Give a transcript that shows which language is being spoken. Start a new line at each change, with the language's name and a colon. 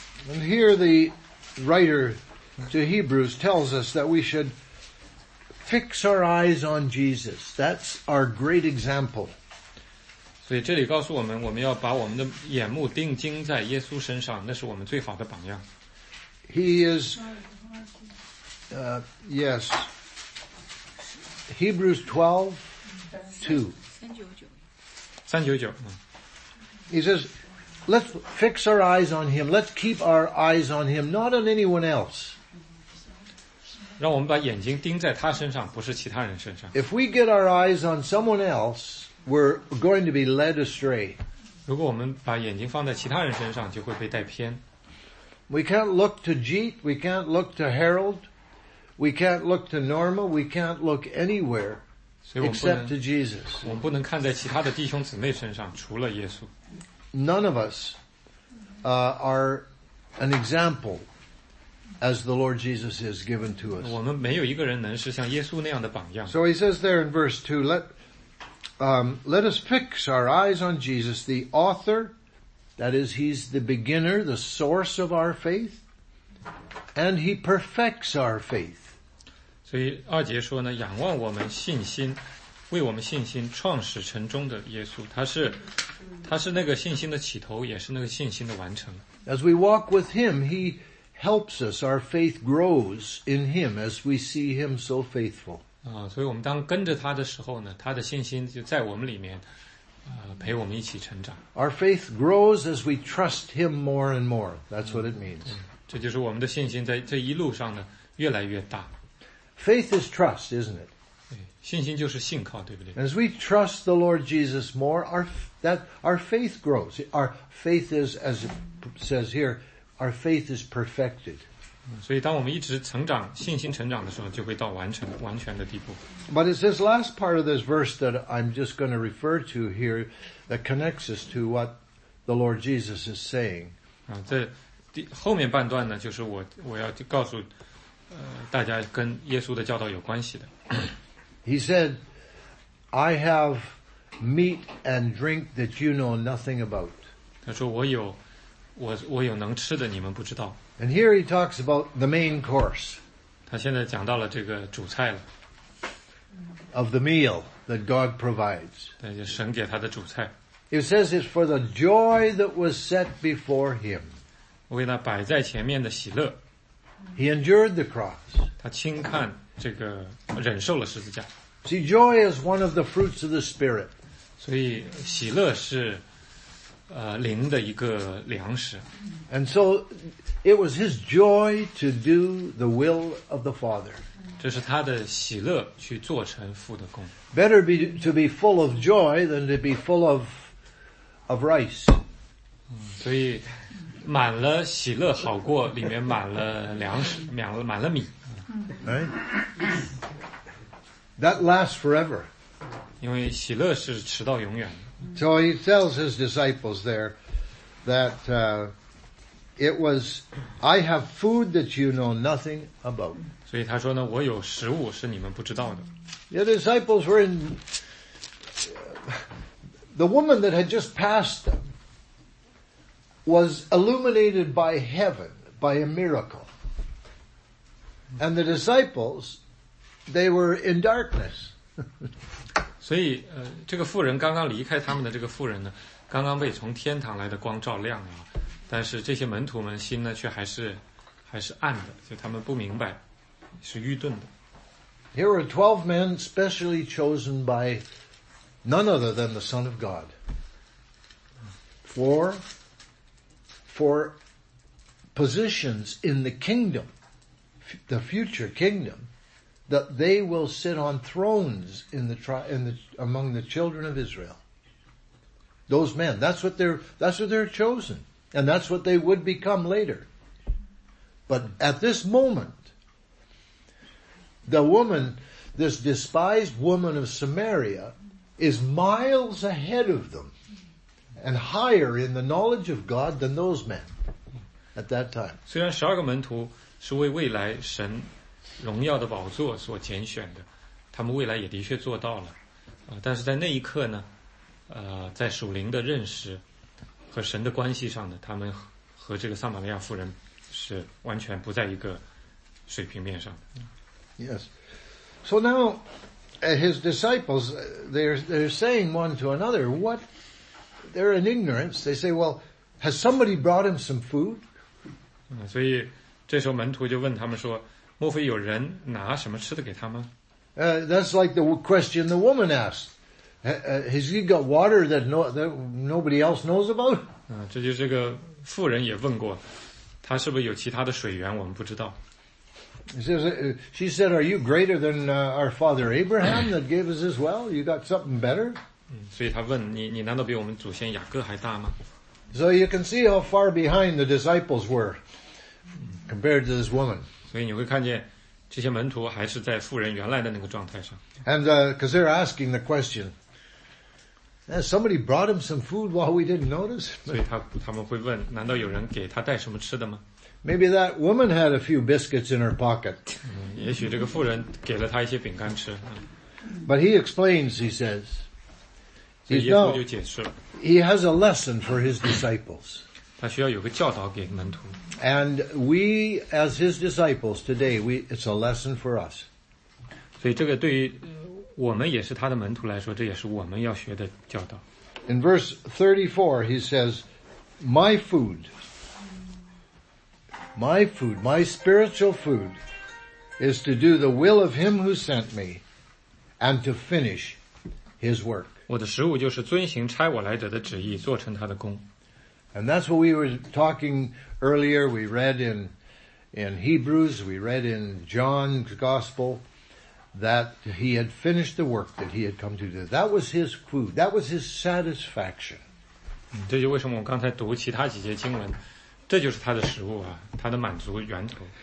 English: And here the writer to Hebrews tells us that we should fix our eyes on Jesus. That's our great example.
Chinese: 所以这里告诉我们，我们要把我们的眼目定睛在耶稣身上，那是我们最好的榜样。
English: He is, yes, Hebrews 12:2. 399. He says, let's fix our eyes on him. Let's keep our eyes on him, not on anyone else.
Chinese: 让我们把眼睛盯在他身上，不是其他人身上。
English: If we get our eyes on someone else, we're going to be led astray.
Chinese: 如果我们把眼睛放在其他人身上，就会被带偏。
English: We can't look to Jeet, we can't look to Harold, we can't look to Norma, we can't look anywhere except to Jesus.
Chinese: 我们不能看在其他的弟兄姊妹身上，除了耶稣。
English: None of us, are an example. As the Lord Jesus has given to us.
Chinese: 我们没有一个人能是像耶稣那样的榜样。
English: So he says there in verse 2, let us fix our eyes on Jesus, the author, that is, he's the beginner, the source of our faith, and he perfects our faith.
Chinese: 所以二节说呢，仰望我们信心，为我们信心创始成终的耶稣，他是那个信心的起头，也是那个信心的完成。
English: As we walk with him, he... helps us, our faith grows in him as we see him so faithful.
Chinese: 所以我们当跟着他的时候呢，他的信心就在我们里面，陪我们一起成长。
English: Our faith grows as we trust him more and more. That's what it means.
Chinese: 这就是我们的信心在这一路上呢，越来越大。
English: Faith is trust, isn't it?
Chinese: 信心就是信靠，对不对？
English: As we trust the Lord Jesus more, our faith grows. Our faith is, as it says here,Our faith is perfected.
Chinese: 所以当我们一直成长，信心成长的时候，就会到完全的地步。
English: But it's this last part of this verse that I'm just going to refer to here that connects us to what the Lord Jesus is saying.
Chinese: 这后面半段呢，就是我要告诉大家跟耶稣的教导有关系的。
English: He said, I have meat and drink that you know nothing about.
Chinese: 他说我有能吃的你们不知道。
English: And here he talks about the main course.
Chinese: 他现在讲到了这个主菜了。
English: Of the meal that God provides.
Chinese: 对，就神给他的主菜。
English: He says it's for the joy that was set before him.
Chinese: 为那摆在前面的喜乐。
English: He endured the cross.
Chinese: 他轻看这个忍受了十字架。
English: See, joy is one of the fruits of the Spirit.
Chinese: 所以喜乐是灵的一个粮食。
English: And so, it was his joy to do the will of the Father.
Chinese: 这是他的喜乐去做成父的工。
English: Better be to be full of joy than to be full of rice.
Chinese: 所以满了喜乐好过里面满了粮食，满了米。
English: That lasts forever.
Chinese: 因为喜乐是持到永远的。
English: So he tells his disciples there that it was, I have food that you know nothing about.
Chinese: 所以他说呢，我有食物是你们不知道的。
English: The disciples were in the woman that had just passed them was illuminated by heaven by a miracle. And the disciples, they were in darkness.
Chinese: 所以这个妇人刚刚离开他们的这个妇人呢刚刚被从天堂来的光照亮了但是这些门徒们心呢却还是暗的就他们不明白是愚钝的。
English: Here were 12 men specially chosen by none other than the Son of God. For positions in the kingdom, the future kingdom, that they will sit on thrones among the children of Israel. Those men, that's what they're chosen. And that's what they would become later. But at this moment, the woman, this despised woman of Samaria, is miles ahead of them. And higher in the knowledge of God than those men at that time.
Chinese: 虽然十二个门徒是为未来神荣耀的宝座所拣选的，他们未来也的确做到了，但是在那一刻呢，在属灵的认识和神的关系上呢，他们和这个撒玛利亚妇人是完全不在一个水平面上的。
English: Yes. So now, his disciples, they're saying one to another, what? They're in ignorance. They say, well, has somebody brought him some food?
Chinese: 所以这时候门徒就问他们说莫非有人拿什么吃的给他们
English: That's like the question the woman asked. Has he got water that nobody else knows about?
Chinese: 这就是这个妇人也问过他是不是有其他的水源我们不知道。
English: She said, are you greater than our father Abraham that gave us his well? You got something better?
Chinese: 所以他问你难道比我们祖先雅各还大吗
English: ？So you can see how far behind the disciples were compared to this woman.
Chinese: 所以你会看见这些门徒还是在妇人原来的那个状态上。
English: And because they're asking the question, somebody brought him some food while we didn't notice.
Chinese: 所以他们会问，难道有人给他带什么吃的吗
English: ？Maybe that woman had a few biscuits in her pocket.
Chinese: 也许这个妇人给了他一些饼干吃。
English: But he explains. He says. He has a lesson for his disciples.
Chinese: 他需要有个教导给门徒。
English: And we, as his disciples today, it's a lesson for us.
Chinese: 所以这个对于我们也是他的门徒来说，这也是我们要学的教导。
English: In verse 34, he says, my spiritual food is to do the will of him who sent me and to finish his work.
Chinese: 我的食物就是遵行差我来者的旨意，做成他的工。
English: And that's what we were talking earlier. We read in Hebrews, we read in John's Gospel that he had finished the work that he had come to do. That was his food. That was his satisfaction.
Chinese: 这就为什么我刚才读其他几节经文，这就是他的食物啊，他的满足源头。